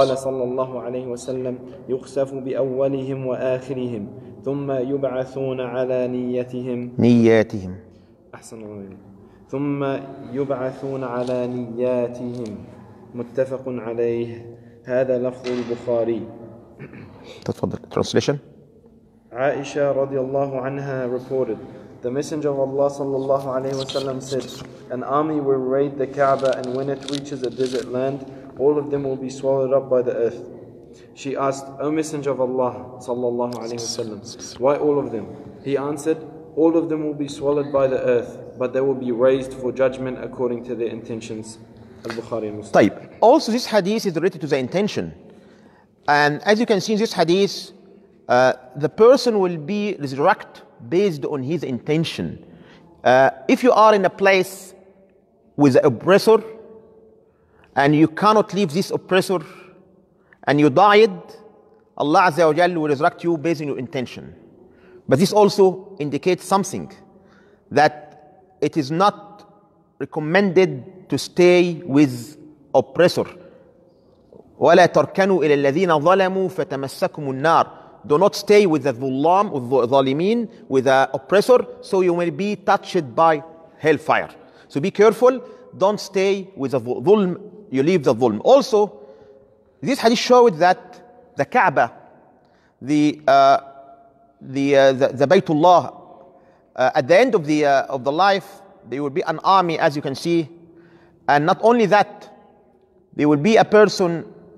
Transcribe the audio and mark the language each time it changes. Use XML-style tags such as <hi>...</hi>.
<ar>الله عليه وسلم يخسف بأولهم وآخرهم ثم يبعثون على نياتهم أحسن الله ثم يبعثون على نياتهم متفق عليه هذا لفظ البخاري تفضل translation.</ar> <en>Aisha radiallahu anha reported, the Messenger of Allah sallallahu alayhi wa sallam said, an army will raid the Kaaba, and when it reaches a desert land, all of them will be swallowed up by the earth. She asked, O Messenger of Allah sallallahu alayhi wa sallam, why all of them? He answered, all of them will be swallowed by the earth, but they will be raised for judgment according to their intentions. Al-Bukhari and Muslim.</en> <ar>طيب.</ar> <en>Also, this hadith is related to the intention. And as you can see in this hadith, the person will be resurrected based on his intention. If you are in a place with an oppressor and you cannot leave this oppressor and you died, Allah Azza wa Jalla will resurrect you based on your intention. But this also indicates something, that it is not recommended to stay with oppressor.</en> <ar>ولا تركنوا إلى الذين ظلموا فتمسكم النار.</ar> <en>Do not stay with the</en> <ar>ظلام الظالمين,</ar> <en>with the oppressor, so you will be touched by hellfire. So be careful. Don't stay with the ظلم. You leave the ظلم. Also, this hadith showed that the Kaaba, the Baytullah, at the end of the life, there will be an army, as you can see, and not only that, there will be a person.</en>